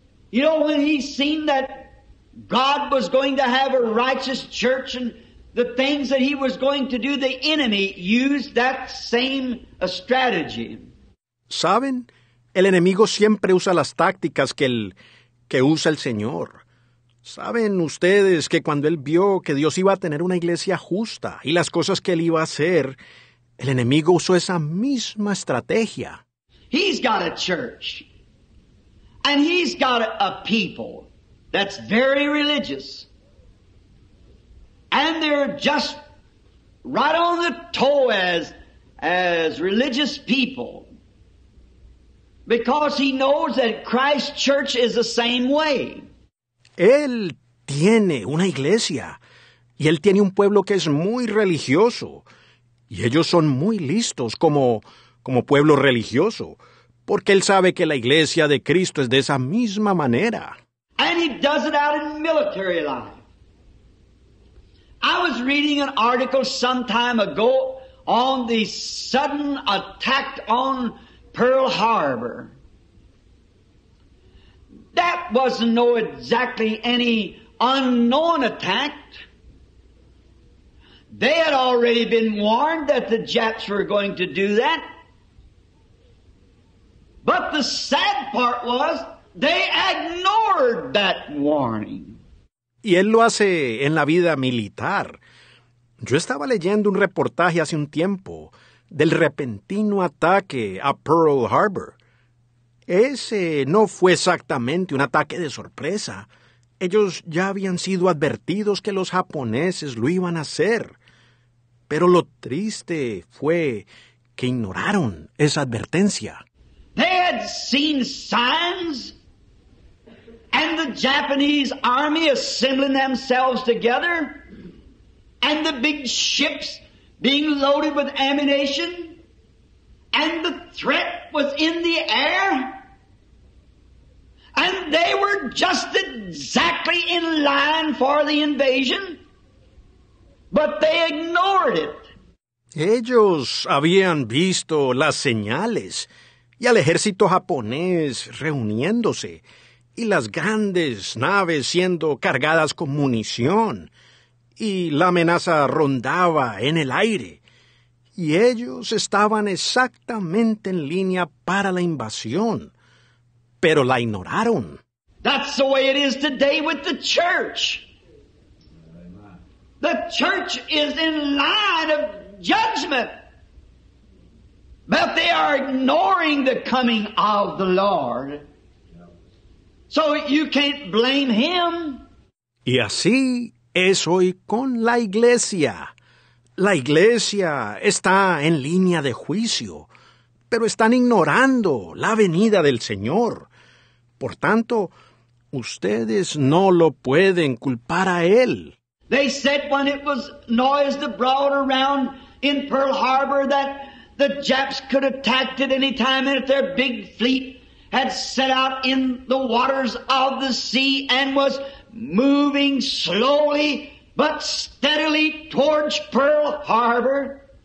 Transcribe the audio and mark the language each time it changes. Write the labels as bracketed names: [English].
[English] You know, when he's seen that God was going to have a righteous church and the things that he was going to do, the enemy used that same strategy. [Spanish] ¿Saben? El enemigo siempre usa las tácticas que usa el Señor. ¿Saben ustedes que cuando él vio que Dios iba a tener una iglesia justa y las cosas que él iba a hacer, el enemigo usó esa misma estrategia? [English] He's got a church. And he's got a people. That's very religious. And they're just right on the toe as religious people, because he knows that Christ's church is the same way. [Spanish] Él tiene una iglesia y él tiene un pueblo que es muy religioso y ellos son muy listos como pueblo religioso, porque él sabe que la iglesia de Cristo es de esa misma manera. [English] And he does it out in military life. I was reading an article some time ago on the sudden attack on Pearl Harbor. That wasn't no exactly any unknown attack. They had already been warned that the Japs were going to do that. But the sad part was, they ignored that warning. [Spanish] Y él lo hace en la vida militar. Yo estaba leyendo un reportaje hace un tiempo del repentino ataque a Pearl Harbor. Ese no fue exactamente un ataque de sorpresa. Ellos ya habían sido advertidos que los japoneses lo iban a hacer. Pero lo triste fue que ignoraron esa advertencia. [English] They had seen signs. And the Japanese army assembling themselves together, and the big ships being loaded with ammunition, and the threat was in the air, and they were just exactly in line for the invasion, but they ignored it. [Spanish] Ellos habían visto las señales y al ejército japonés reuniéndose, y las grandes naves siendo cargadas con munición, y la amenaza rondaba en el aire, y ellos estaban exactamente en línea para la invasión, pero la ignoraron. [English] That's the way it is today with the church. The church is in line of judgment, but they are ignoring the coming of the Lord. So you can't blame him. [Spanish] Y así es hoy con la iglesia. La iglesia está en línea de juicio, pero están ignorando la venida del Señor. Por tanto, ustedes no lo pueden culpar a él. [English] They said when it was noised abroad around in Pearl Harbor that the Japs could attack at any time and at their big fleet had set out in the waters of the sea and was moving slowly but steadily towards Pearl Harbor,